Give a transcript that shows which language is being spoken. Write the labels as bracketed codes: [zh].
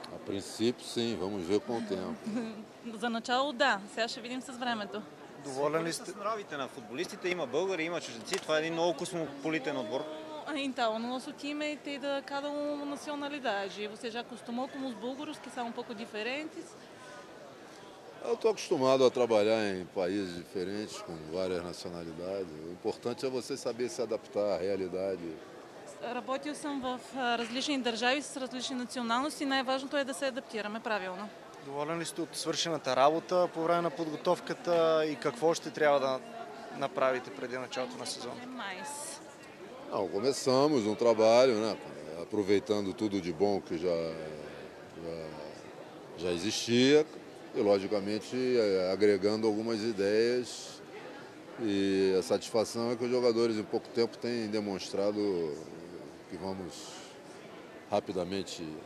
[pt] А принцип си, vamos ver com o tempo. [bg] За начало да, сега ще видим с времето. Доволен ли сте? С нравите на футболистите, има българи, има чужденци, това е един много космополитен отбор. [pt] Então, o nosso time tem de cada uma nacionalidade. Você já acostumou com os búlgaros, que são um pouco diferentes? Eu estou acostumado a trabalhar em países diferentes, com várias nacionalidades. O importante é você saber se adaptar à realidade. [bg] Работил съм в различни държави с различни националности. Най-важното е да се адаптираме правилно. Доволен ли сте от свършената работа по време на подготовката и какво ще трябва да направите преди началото на сезона? [pt] Não, começamos um trabalho, né, aproveitando tudo de bom que já existia e, logicamente, agregando algumas ideias. E a satisfação é que os jogadores, em pouco tempo, têm demonstrado que vamos rapidamente.